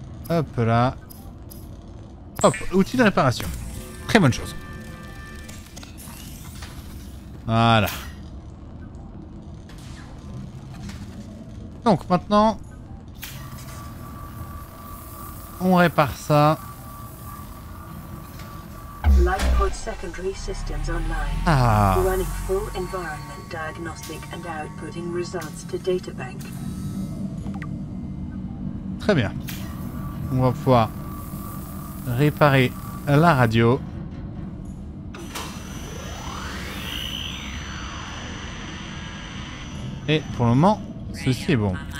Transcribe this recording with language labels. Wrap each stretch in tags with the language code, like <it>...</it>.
<fr>Hop là. Hop, outil de réparation. Très bonne chose. Voilà. Donc maintenant, on répare ça.</fr> <en>Lightpod secondary systems online. Ah. Running full environment diagnostic and outputting results to data bank.</en> <fr>Très bien. On va pouvoir réparer la radio. Et pour le moment, ceci est bon.</fr>